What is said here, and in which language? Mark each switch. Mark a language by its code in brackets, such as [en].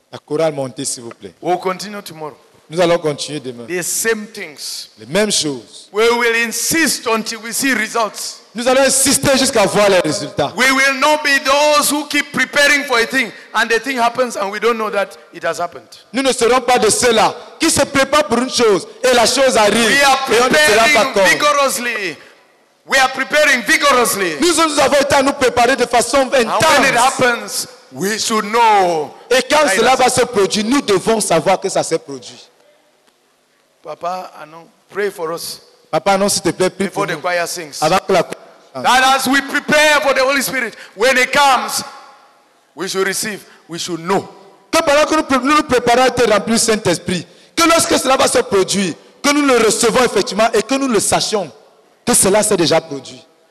[fr] La chorale montée, s'il vous plaît. [en] We'll continue tomorrow. [fr] Nous allons continuer demain. [en] The same things. [fr] Les mêmes choses. [en] We will insist until we see results. [fr] Nous allons insister jusqu'à voir les résultats. [en] We will not be those who keep preparing for a thing and the thing happens and we don't know that it has happened. [fr] Nous ne serons pas de ceux-là qui se préparent pour une chose et la chose arrive. [en] We are preparing vigorously. We are preparing vigorously. [fr] Nous avons été à nous préparer de façon intense. [en] And when it happens, we should know. [fr] Et quand cela va se produire, nous devons savoir que ça s'est produit. [en] Papa, annonce, pray for us. [fr] Papa, annonce, s'il te plaît, prie [en] before [fr] pour [en] the [fr] nous. [en] Choir sings. That as we prepare for the Holy Spirit, when it comes, we should receive, we should know. [fr] Que pendant que nous nous préparons à être remplis du Saint-Esprit, que lorsque cela va se produire, que nous le recevons effectivement et que nous le sachions, que cela s'est déjà produit.